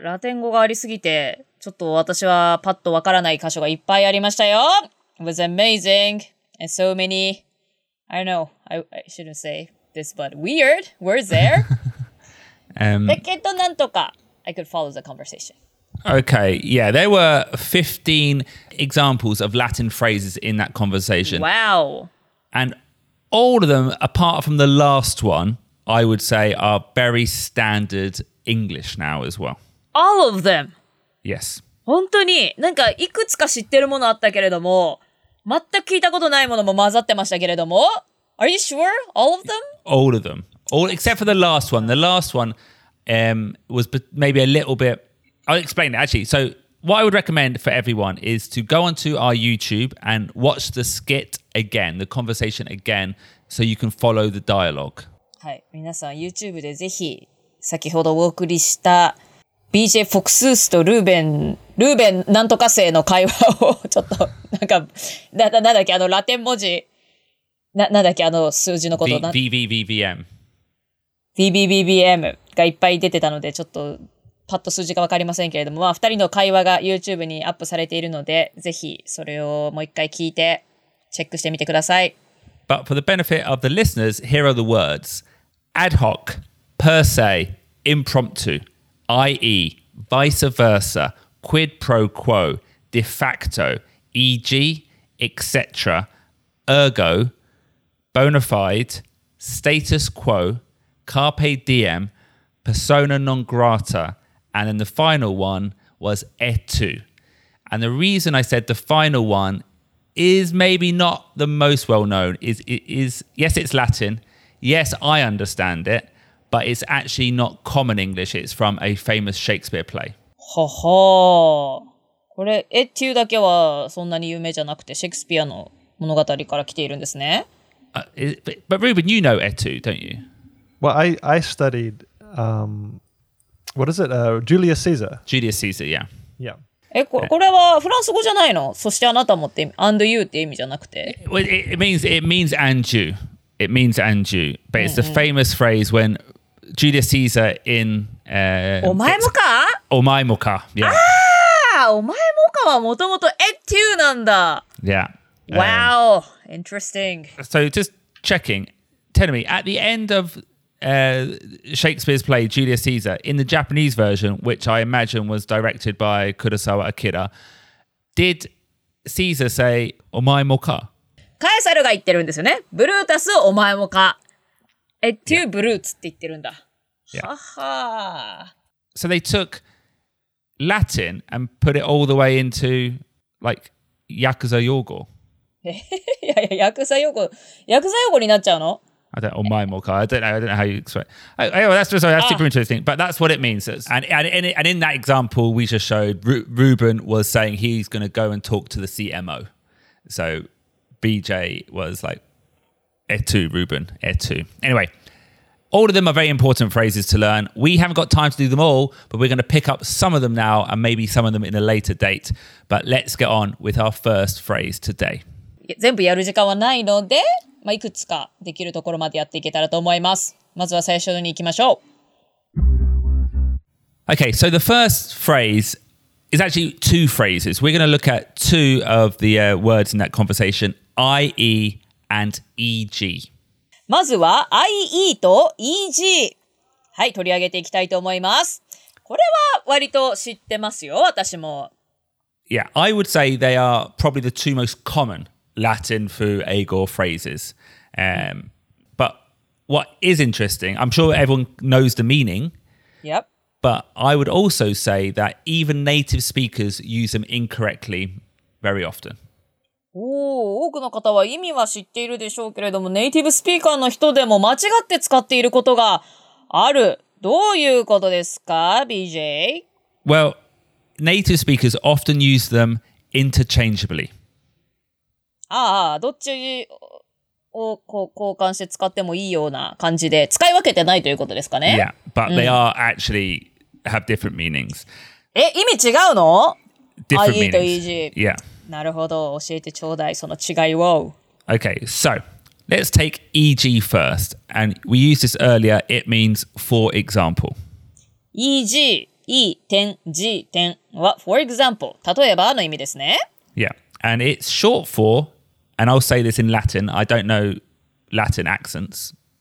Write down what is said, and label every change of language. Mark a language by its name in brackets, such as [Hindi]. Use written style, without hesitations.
[Japanese] ラテン語がありすぎて、ちょっと私はパッとわからない箇所がいっぱいありましたよ。 [English] It was amazing. And so many, I don't know, I shouldn't say this, but weird words there. [Japanese] だけどなんとか、 [English] I could follow the conversation. Okay, yeah, there were 15 examples of Latin phrases in that conversation. Wow. And all of them, apart from the last one, I would say are very standard English now as well. All of them? Yes. [Japanese] 本当に、なんかいくつか知ってるものあったけれども、全く聞いたことないものも混ざってましたけれども。 [English] Are you sure? All of them? All of them. All, except for the last one. The last one was maybe a little bit... I'll explain it, actually. So what I would recommend for everyone is to go onto our YouTube and watch the skit again, the conversation again, so you can follow the dialogue. [Japanese] はい、皆さん YouTube でぜひ先ほどお送りした BJ Foxus とルーベンなんとか生の会話をちょっとなんかなんだっけあのラテン文字なんだっけあの数字のこと VVVVM VVVVM がいっぱい出てたのでちょっとパッと数字が分かりませんけれども、まあ、2人の会話が YouTube にアップされているので、ぜひそれをもう一回聞いて、チェックしてみてください。 [English] But for the benefit of the listeners, here are the words. Ad hoc, per se, impromptu, i.e., vice versa, quid pro quo, de facto, e.g., etc., ergo, bona fide, status quo, carpe diem, persona non grata,And then the final one was etu. And the reason I said the final one is maybe not the most well known is, yes, it's Latin. Yes, I understand it, but it's actually not common English. It's from a famous Shakespeare play. はは。 [Japanese] これ、etu だけはそんなに有名じゃなくて、シェイクスピアの物語から来ているんですね。 [English] But Ruben, you know etu, don't you? Well, I studied... What is it? Julius Caesar. Julius Caesar, yeah. Yeah. [Japanese] これはフランス語じゃないの? そしてあなたもって、 [English] and you [Japanese] って意味じゃなくて。 [English] It means and you. It means and you. But it's the famous phrase when Julius Caesar in... [Japanese] お前もか? お前もか, yeah. ああ! お前もかはもともとエッテューなんだ。 [English] Yeah. Wow. Interesting. So just checking. Tell me, at the end of Shakespeare's play Julius Caesar, in the Japanese version, which I imagine was directed by Kurosawa Akira, did Caesar say, [Japanese] お前もか? カエサルが言ってるんですよね。ブルータス、お前もか。エッテューブルーツって言ってるんだ。 [English] Yeah. はは。 So they took Latin and put it all the way into like Yakuza Yogo. Yakuza Yogo. Yakuza Yogo [Japanese] になっちゃうの? [English] I don't, omae moka. I don't know how you explain. Anyway, that's super interesting. But that's what it means. And in that example we just showed, Ruben was saying he's going to go and talk to the CMO. So BJ was like, etu, Ruben, etu. Anyway. All of them are very important phrases to learn. We haven't got time to do them all, but we're going to pick up some of them now and maybe some of them in a later date. But let's get on with our first phrase today. [Japanese] 全部やる時間はないので、まあ、いくつかできるところまでやっていけたらと思います。まずは最初に行きましょう。 [English] Okay, so the first phrase is actually two phrases. We're going to look at two of the words in that conversation, i.e. and e.g. [Japanese] まずは IE と EG。はい、取り上げていきたいと思います。これは割と知ってますよ、私も。 [English] Yeah, I would say they are probably the two most common Latin for ego phrases. But what is interesting, I'm sure everyone knows the meaning. Yep. But I would also say that even native speakers use them incorrectly very often. [Japanese] おお、多くの方は意味は知っているでしょうけれども、ネイティブスピーカーの人でも間違って使っていることがある。どういうことですか、BJ? [English] Well, native speakers often use them interchangeably. [Japanese] ああ、どっちをこう交換して使ってもいいような感じで、使い分けてないということですかね。 [English] Yeah, but they are actually have different meanings. [Japanese] え、意味違うの [English] ?Different meanings. IE と EG。 Yeah. [Japanese] なるほど、教えてちょうだい、その違いを。 [English] Okay, so, let's take EG first. And we used this earlier, it means for example. [Japanese] EG, E, 点 G, 点は [English] for example, [Japanese] 例えばの意味ですね。 [English] Yeah, and it's short for, and I'll say this in Latin, I don't know Latin accents.